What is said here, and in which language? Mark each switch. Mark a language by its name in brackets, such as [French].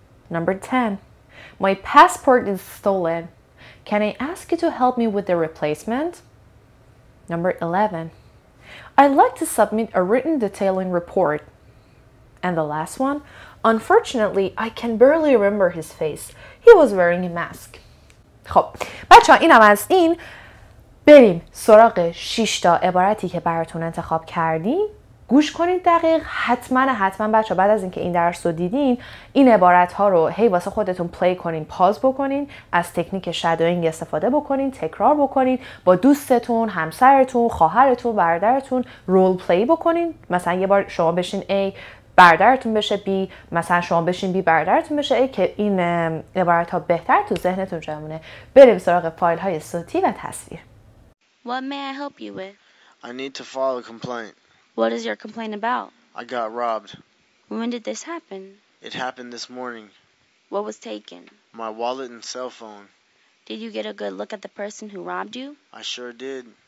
[English] Number ten, my passport is stolen. Can I ask you to help me with the replacement? Number 11, I'd like to submit a written detailing report. And the last one, unfortunately, I can barely remember his face. He was wearing a mask. [Persian] خب بچه ها، اینم از این. بریم سراغ 6 تا عبارتی که براتون انتخاب کردیم، گوش کنید دقیق. حتما بچه ها بعد از اینکه این درس رو دیدین، این عبارت ها رو هی واسه خودتون پلی کنین، پاز بکنین، از تکنیک شادوینگ استفاده بکنین، تکرار بکنین، با دوستتون، همسرتون، خواهرتون، برادرتون رول پلی بکنین. مثلا یه بار شما بشین A، برادرتون بشه بی، مثلا شما بشین بی برادرتون بشه ای، که این عبارت ها بهتر تو ذهنتون جمونه. بریم سراغ فایل های صوتی و تصویر. [English] What may I help you with? I need to file a complaint. What is your complaint about? I got robbed. When did this happen? It happened this morning. What was taken? My wallet and cell phone. Did you get a good look at the person who robbed you? I sure did.